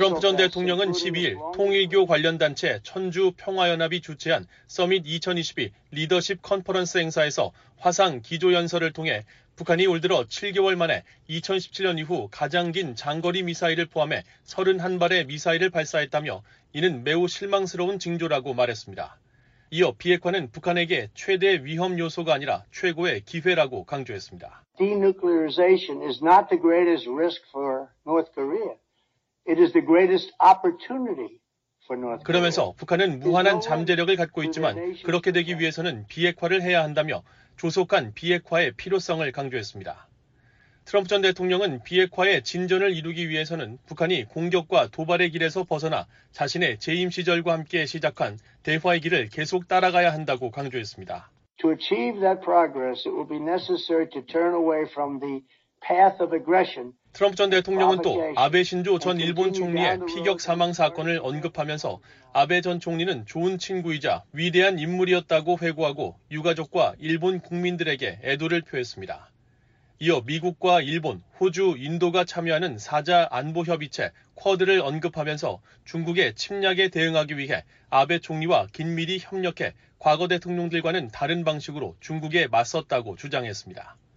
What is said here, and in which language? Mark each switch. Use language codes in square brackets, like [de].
[ko] 트럼프 전 대통령은 12일 통일교 관련 단체 천주 평화연합이 주최한 서밋 2022 리더십 컨퍼런스 행사에서 화상 기조 연설을 통해 북한이 올 들어 7개월 만에 2017년 이후 가장 긴 장거리 미사일을 포함해 31발의 미사일을 발사했다며 이는 매우 실망스러운 징조라고 말했습니다. 이어 비핵화는 북한에게 최대 위험 요소가 아니라 최고의 기회라고 강조했습니다. [en] Denuclearization is not the greatest risk for North Korea. It is the greatest opportunity for North Korea. [ko] 그러면서 북한은 무한한 잠재력을 갖고 있지만 그렇게 되기 위해서는 비핵화를 해야 한다며 조속한 비핵화의 필요성을 강조했습니다. 트럼프 전 대통령은 비핵화의 진전을 이루기 위해서는 북한이 공격과 도발의 길에서 벗어나 자신의 재임 시절과 함께 시작한 대화의 길을 계속 따라가야 한다고 강조했습니다. [en] To achieve that progress, it will be necessary to turn away from the path of aggression. [ko] 트럼프 전 대통령은 또 아베 신조 전 일본 총리의 피격 사망 사건을 언급하면서 아베 전 총리는 좋은 친구이자 위대한 인물이었다고 회고하고 유가족과 일본 국민들에게 애도를 표했습니다. 이어 미국과 일본, 호주, 인도가 참여하는 4자 안보협의체 쿼드를 언급하면서 중국의 침략에 대응하기 위해 아베 총리와 긴밀히 협력해 과거 대통령들과는 다른 방식으로 중국에 맞섰다고 주장했습니다.